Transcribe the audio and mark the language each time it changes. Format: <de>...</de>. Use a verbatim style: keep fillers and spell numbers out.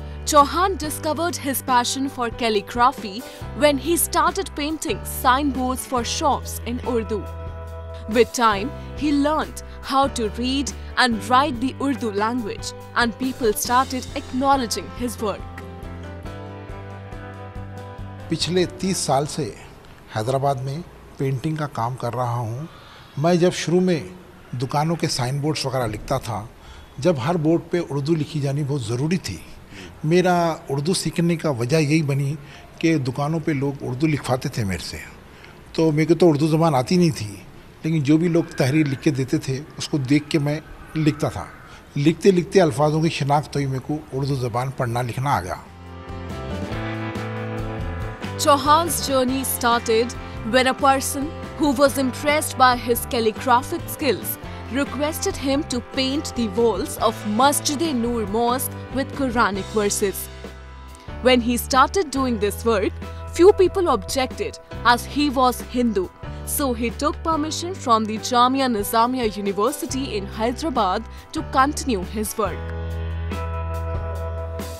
<en>Chauhan discovered his passion for calligraphy when he started painting signboards for shops in Urdu. With time, he learned how to read and write the Urdu language, and people started acknowledging his work.</en> <hi>पिछले तीस साल से हैदराबाद में painting का काम कर रहा हूँ। मैं जब शुरू में दुकानों के साइन बोर्ड्स वगैरह लिखता था, जब हर बोर्ड पे उर्दू लिखी जानी बहुत ज़रूरी थी। मेरा उर्दू सीखने का वजह यही बनी कि दुकानों पे लोग उर्दू लिखवाते थे मेरे से, तो मेरे को तो उर्दू ज़बान आती नहीं थी, लेकिन जो भी लोग तहरीर लिख के देते थे उसको देख के मैं लिखता था। लिखते लिखते अल्फाजों की शिनाख्त तो ही मेरे को उर्दू ज़बान पढ़ना लिखना आ गया।</hi> <en>Chauhan's journey started when a person who was impressed by his calligraphic skills requested him to paint the walls of Masjid-e-Noor Mosque with Quranic verses. When he started doing this work, few people objected as he was Hindu, so he took permission from the Jamia Nizamia University in Hyderabad to continue his work.</en>